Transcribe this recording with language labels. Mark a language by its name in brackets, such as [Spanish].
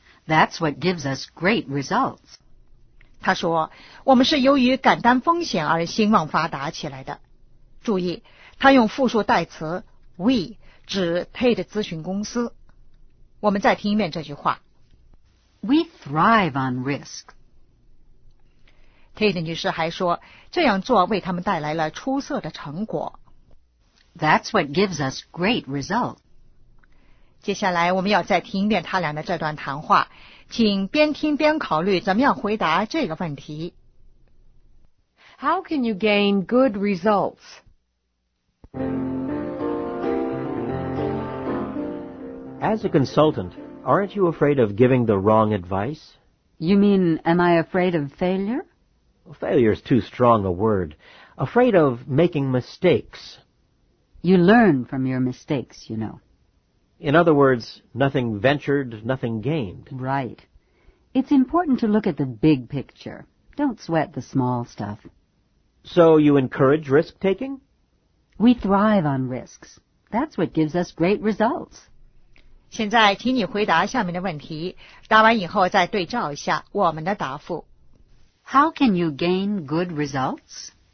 [English] That's what gives us great results. [Chinese] 他说我们是由于敢担风险而兴旺发达起来的。注意他用复数代词 we 指 Tate 咨询公司。我们再听一遍这句话。 [English] We thrive on risk. [Chinese] Tate 女士还说这样做为他们带来了出色的成果。 [English] That's what gives us great results. [Chinese] 接下来我们要再听一遍他俩的这段谈话。请边听边考虑怎么样回答这个问题。 [English] How can you gain good results? As a consultant, aren't you afraid of giving the wrong advice? You mean, am I afraid of failure? Well, failure is too strong a word. Afraid of making mistakes. You learn from your mistakes, you know. In other words, nothing ventured, nothing gained. Right. It's important to look at the big picture. Don't sweat the small stuff. So you encourage risk-taking? We thrive on risks. That's what gives us great results. [Chinese] 现在请你回答下面的问题，答完以后再对照一下我们的答复。 [English] How can you gain good results?